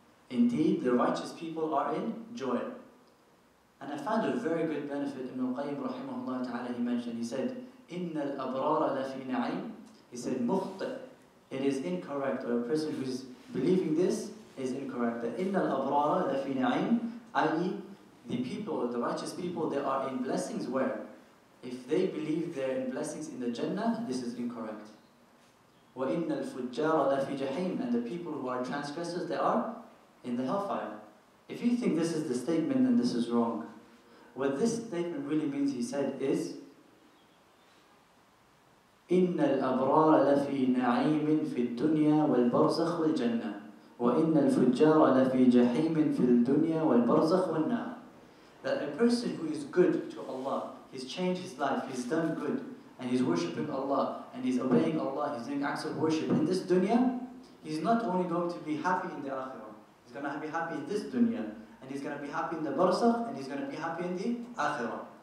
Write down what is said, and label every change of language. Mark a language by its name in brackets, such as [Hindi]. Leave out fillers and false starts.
[English] Indeed, the righteous people are in joy. And I found a very good benefit in Al-Qayyim rahimahullah ta'ala, he mentioned. He said, [Arabic] إِنَّ الْأَبْرَارَ لَفِي نَعِيمٍ. [English] He said, مُخْطِئ. It is incorrect. Or a person who is believing this is incorrect. [Arabic] That إِنَّ الْأَبْرَارَ لَفِي نَعِيمٍ, i.e. [English] the people, the righteous people, they are in blessings where? If they believe they're in blessings in the Jannah, this is incorrect. [Arabic] وَإِنَّ الْفُجَّارَ لَفِي جَحِيمٍ. [English] And the people who are transgressors, they are in the hellfire. If you think this is the statement, then this is wrong. What this statement really means, he said, is [Arabic] إِنَّ الْأَبْرَارَ لَفِي نَعِيمٍ فِي الدُّنْيَا وَالْبَرْزَخْ وَالْجَنَّةِ وَإِنَّ الْفُجَّارَ لَفِي جَحِيمٍ فِي الدُّنْيَا وَالْبَرْزَخْ وَالنَّارِ. [English] That a person who is good to Allah, he's changed his life, he's done good, and he's worshipping Allah, and he's obeying Allah, he's doing acts of worship in this dunya, he's not only going to be happy in the akhirah, he's going to be happy in this dunya, and he's going to be happy in the barzakh, and he's going to be happy in the akhirah.